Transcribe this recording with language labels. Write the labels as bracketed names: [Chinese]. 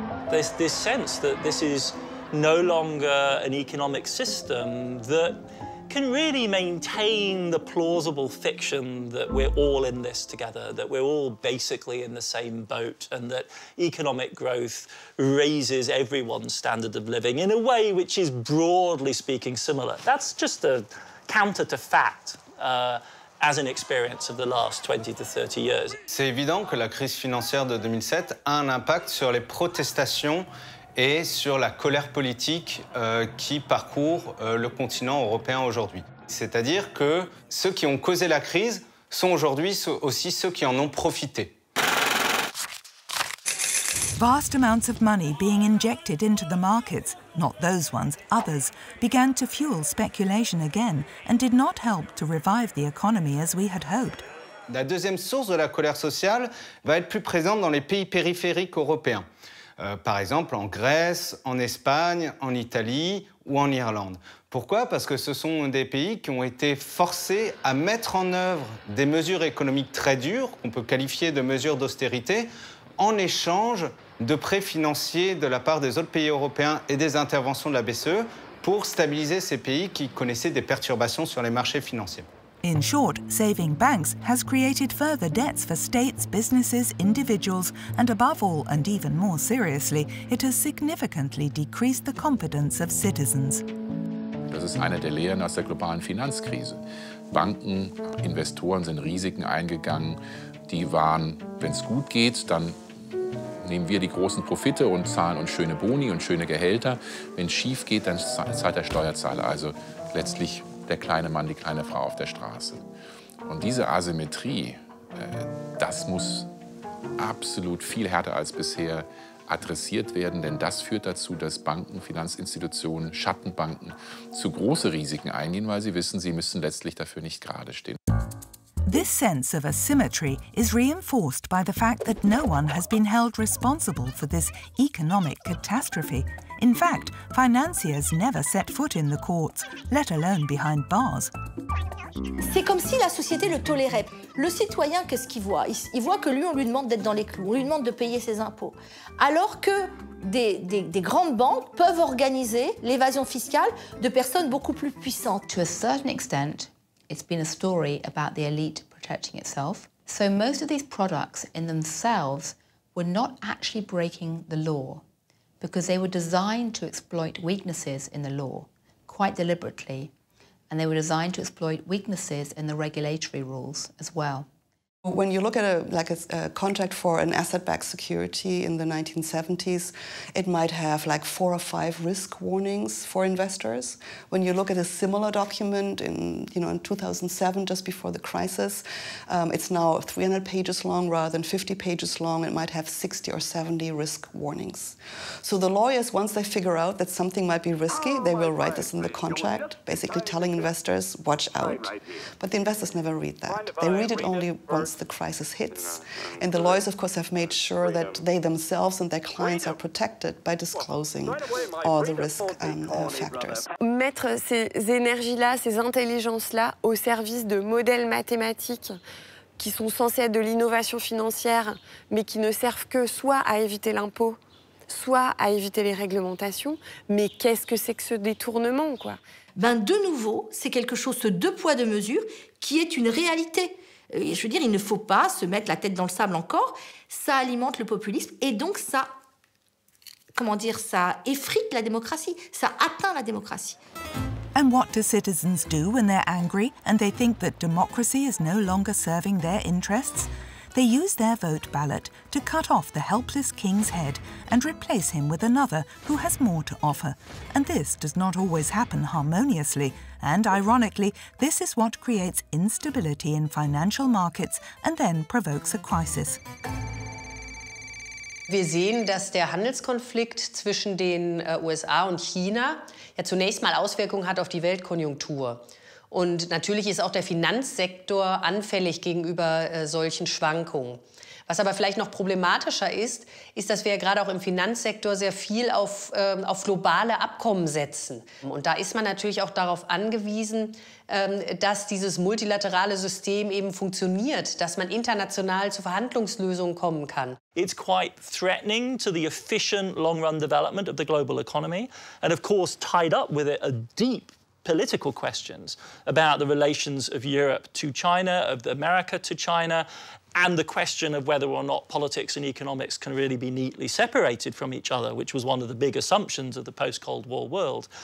[English] There's this sense that this is no longer an economic system that can really maintain the plausible fiction that we're all in this together, that we're all basically in the same boat, and that economic growth raises everyone's standard of living in a way which is broadly speaking similar. That's just a counter to fact. As an experience of the last 20 to 30 years. [French] C'est évident que la crise financière de 2007 a un impact sur les protestations et sur la colère politique qui parcourt le continent européen aujourd'hui. C'est-à-dire que ceux qui ont causé la crise sont aujourd'hui aussi ceux qui en ont profité. [English] Vast amounts of money being injected into the markets, not those ones, others, began to fuel speculation again and did not help to revive the economy as we had hoped. [French] La deuxième source de la colère sociale va être plus présente dans les pays périphériques européens, par exemple en Grèce, en Espagne, en Italie ou en Irlande. Pourquoi ? Parce que ce sont des pays qui ont été forcés à mettre en œuvre des mesures économiques très dures, qu'on peut qualifier de mesures d'austérité, en échange de prêts financiers de la part des autres pays européens et des interventions de la BCE pour stabiliser ces pays qui connaissaient des perturbations sur les marchés financiers. [English] In short, saving banks has created further debts for states, businesses, individuals, and above all, and even more seriously, it has significantly decreased the confidence of citizens. [German] Das ist eine der Lehren aus der globalen Finanzkrise. Banken, Investoren sind Risiken eingegangen, die waren, wenn es gut geht, dann nehmen wir die großen Profite und zahlen uns schöne Boni und schöne Gehälter. Wenn es schief geht, dann zahlt der Steuerzahler, also letztlich der kleine Mann, die kleine Frau auf der Straße. Und diese Asymmetrie, das muss absolut viel härter als bisher adressiert werden, denn das führt dazu, dass Banken, Finanzinstitutionen, Schattenbanken zu große Risiken eingehen, weil sie wissen, sie müssen letztlich dafür nicht gerade stehen. [English] This sense of asymmetry is reinforced by the fact that no one has been held responsible for this economic catastrophe. In fact, financiers never set foot in the courts, let alone behind bars. [French] C'est comme si la société le tolérait. Le citoyen, qu'est-ce qu'il voit ? Il voit que lui, on lui demande d'être dans les clous, on lui demande de payer ses impôts. Alors que des grandes banques peuvent organiser l'évasion fiscale de personnes beaucoup plus puissantes. [English] To a certain extent, it's been a story about the elite protecting itself. So most of these products in themselves were not actually breaking the law because they were designed to exploit weaknesses in the law quite deliberately. And they were designed to exploit weaknesses in the regulatory rules as well. When you look at a contract for an asset-backed security in the 1970s, it might have like four or five risk warnings for investors. When you look at a similar document in 2007, just before the crisis, it's now 300 pages long rather than 50 pages long. It might have 60 or 70 risk warnings. So the lawyers, once they figure out that something might be risky, they will write this in the contract, basically telling investors, watch out. But the investors never read that. They read it only once the crisis hits, and the lawyers, of course, have made sure that they themselves and their clients are protected by disclosing all the risk factors. [French] Mettre ces énergies-là, ces intelligences-là, au service de modèles mathématiques qui sont censés être de l'innovation financière, mais qui ne servent que soit à éviter l'impôt, soit à éviter les réglementations. Mais qu'est-ce que c'est que ce détournement, quoi ? Ben, de nouveau, c'est quelque chose, ce deux poids deux mesures, qui est une réalité. Je veux dire, il ne faut pas se mettre la tête dans le sable encore. Ça alimente le populisme et donc ça, comment dire, ça effrite la démocratie. Ça atteint la démocratie. [English] And what do citizens do when they're angry and they think that democracy is no longer serving their interests? They use their vote ballot to cut off the helpless king's head and replace him with another who has more to offer. And this does not always happen harmoniously. And ironically, this is what creates instability in financial markets and then provokes a crisis. [German] Wir sehen, dass der Handelskonflikt zwischen den USA und China ja zunächst mal Auswirkungen hat auf die Weltkonjunktur. Und natürlich ist auch der Finanzsektor anfällig gegenüber solchen Schwankungen. Was aber vielleicht noch problematischer ist, ist, dass wir ja gerade auch im Finanzsektor sehr viel auf globale Abkommen setzen. Und da ist man natürlich auch darauf angewiesen, dass dieses multilaterale System eben funktioniert, dass man international zu Verhandlungslösungen kommen kann. [English] It's quite threatening to the efficient long-run development of the global economy. And of course tied up with it a deep political questions about the relations of Europe to China, of America to China, and the question of whether or not politics and economics can really be neatly separated from each other, which was one of the big assumptions of the post-Cold War world.